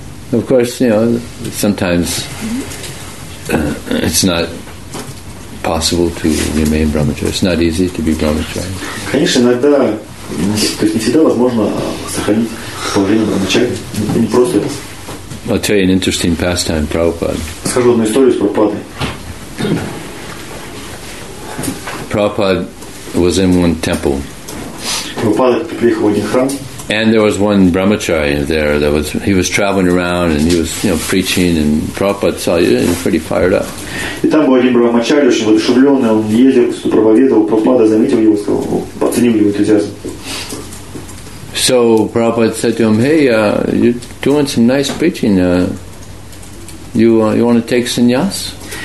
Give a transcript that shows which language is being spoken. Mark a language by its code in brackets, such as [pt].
[en] Of course, you know, sometimes it's not possible to remain brahmachari. It's not easy to be brahmachari. [ru] Конечно, иногда, то есть не всегда возможно сохранить положение брахмачари. Не просто это. [en] I'll tell you an interesting pastime, Prabhupada. [ru] Скажу одну историю с Прабхупадой. [en] Prabhupada was in one temple. [ru] Прабхупада приехал в один храм. [en] And there was one brahmachari there that was, he was traveling around and he was, you know, preaching, and Prabhupada saw you, and he was pretty fired up. So Prabhupada said to him, hey, you're doing some nice preaching, you want to take sannyas?